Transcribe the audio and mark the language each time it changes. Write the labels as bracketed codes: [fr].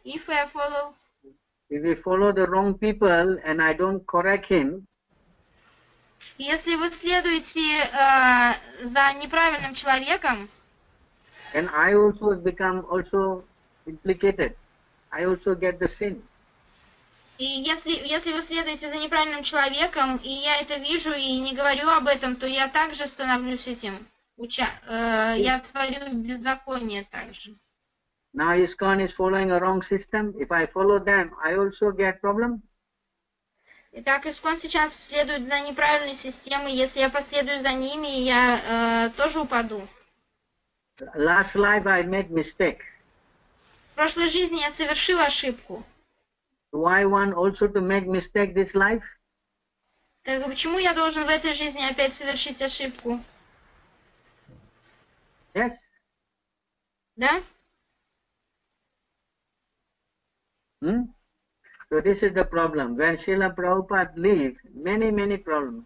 [en] If we follow the wrong people and I don't correct him. [ru] Если вы следуете за неправильным человеком. [en] And I also become also implicated. I also get the sin. [ru] И если вы следуете за неправильным человеком, и я это вижу и не говорю об этом, то я также становлюсь этим я творю беззаконие также. [en] Now ISKCON is following a wrong system. If I follow them, I also get problem. [ru] Итак, ISKCON сейчас следует за неправильной системой. Если я последую за ними, я тоже упаду. [en] Last life I made mistake. [ru] В прошлой жизни я совершил ошибку. [en] Why one also to make mistake this life? [ru] Так почему я должен в этой жизни опять совершить ошибку? [en] Yes. [ru] Да? [en] So this is the problem. When Srila Prabhupada leaves, many, many problems.